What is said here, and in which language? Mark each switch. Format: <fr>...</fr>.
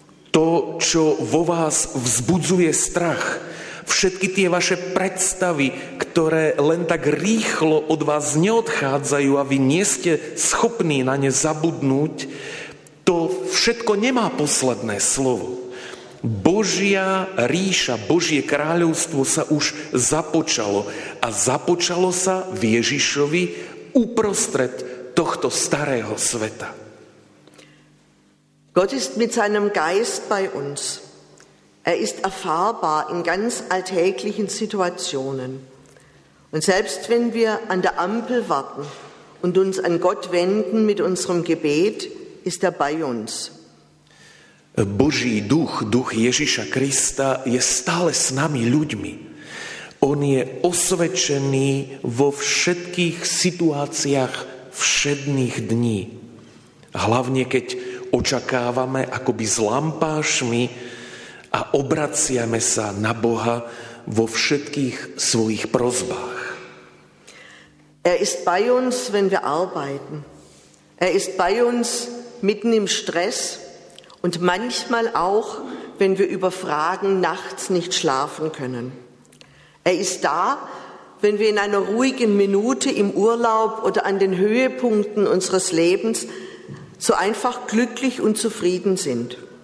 <sk>To, čo vo vás vzbudzuje strach, všetky tie vaše predstavy, ktoré len tak rýchlo od vás neodchádzajú a vy nie ste schopní na ne zabudnúť, to všetko nemá posledné slovo. Božia ríša, Božie kráľovstvo sa už započalo a započalo sa v Ježišovi uprostred tohto starého sveta.</sk> <de>Gott ist mit seinem Geist bei uns. Er ist erfahrbar in ganz alltäglichen Situationen. Und selbst wenn wir an der Ampel warten und uns an Gott wenden mit unserem Gebet, ist er bei uns.</de> <sk>Boží duch, duch Ježiša Krista je stále s nami ľuďmi. On je osvedčený vo všetkých situáciách všedných dní. Hlavne keď očakávame akoby s lampášmi a obraciame sa na Boha vo všetkých svojich prosbách.</sk> <de>Er ist bei uns, wenn wir arbeiten. Er ist bei uns mitten im Stress und manchmal auch, wenn wir über Fragen nachts nicht schlafen können. Er ist da, wenn wir in einer ruhigen Minute im Urlaub oder an den Höhepunkten unseres Lebens so einfach glücklich und zufrieden sind.</de>